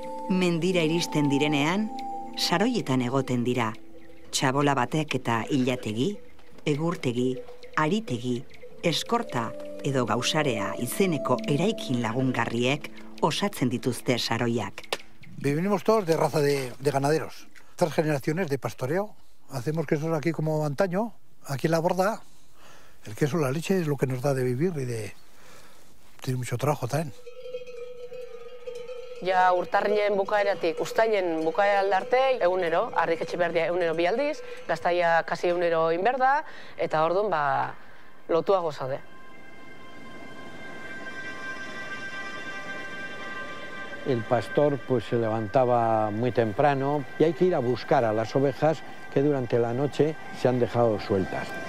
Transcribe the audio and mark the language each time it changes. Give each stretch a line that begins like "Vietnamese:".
Basque: Mendira iristen direnean, saroietan egoten dira. Txabola batek eta ilategi, egurtegi, aritegi, eskorta edo gausarea izeneko eraikin lagungarriek osatzen dituzte saroiak.
Spanish: Vivimos todos de raza de ganaderos. Tres generaciones de pastoreo. Hacemos quesos aquí como antaño, aquí en la borda. El queso, la leche es lo que nos da de vivir y de... Tiene mucho trabajo también.
Basque: Ja urtarrien bukaeratik, uztailen bukaera aldarte, egunero, harrik etxe behar dira egunero bi aldiz, gaztaia kasi egunero inberda, eta orduan, ba, lotua gozade.
Spanish: El pastor pues se levantaba muy temprano y hay que ir a buscar a las ovejas que durante la noche se han dejado sueltas.